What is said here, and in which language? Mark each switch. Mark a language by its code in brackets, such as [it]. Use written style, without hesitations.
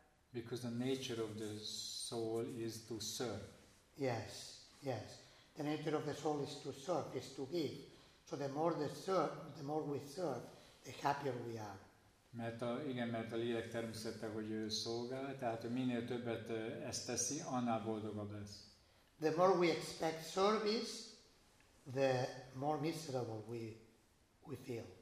[en] Because the nature of the soul is to serve. Yes, yes. The nature of the soul is to serve, is to give. So the more they serve, the more we serve, the happier we are. [hu] Mert a, igen, mert a lélek természete, hogy ő szolgál, tehát minél többet ezt teszi, annál boldogabb lesz. [en] The more we expect service, the more miserable we feel.